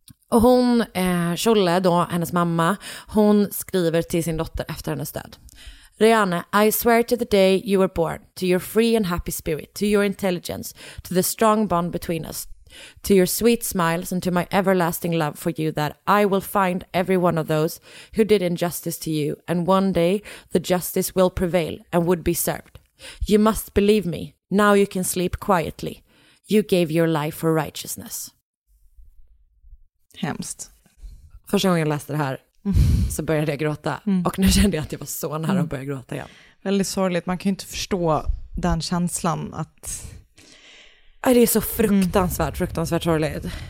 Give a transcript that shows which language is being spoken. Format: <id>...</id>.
<sv>Och hon, Shule då, hennes mamma, hon skriver till sin dotter efter hennes död.</sv> <en>Rehane, I swear to the day you were born, to your free and happy spirit, to your intelligence, to the strong bond between us, to your sweet smiles and to my everlasting love for you, that I will find every one of those who did injustice to you, and one day the justice will prevail and would be served. You must believe me, now you can sleep quietly. You gave your life for righteousness.</en> <sv>Hemskt. Första gången jag läste det här, så började jag gråta. Mm. Och nu kände jag att jag var så nära att börja gråta igen. Väldigt sorgligt. Man kan ju inte förstå den känslan att... Aj, det är så fruktansvärt, fruktansvärt sorgligt.</sv>